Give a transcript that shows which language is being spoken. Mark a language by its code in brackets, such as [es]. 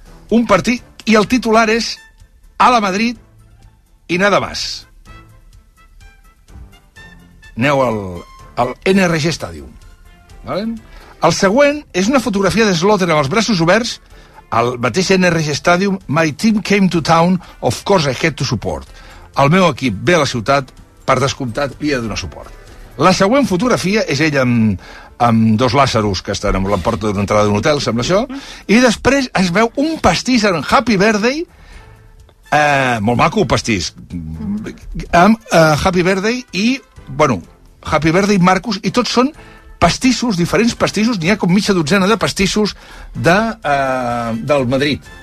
[ca] Un partit, i el titular és a la Madrid i [es] nada más. [ca] Aneu al NRG Stadium. ¿Vale? El següent és una fotografia de Slaughter amb els braços oberts al mateix NRG Stadium. [en] My team came to town, of course I had to support. [ca] El meu equip ve a la ciutat, per descomptat, i ha de donar suport. La següent fotografia és ell amb dos Lazarus que estan amb la porta d'una entrada d'un hotel, sembla això, i després es veu un pastís en Happy Birthday, molt maco el pastís, amb Happy Birthday i, bueno, Happy Birthday, Marcus, i tots són pastissos, diferents pastissos, n'hi ha com mitja dotzena de pastissos del Madrid.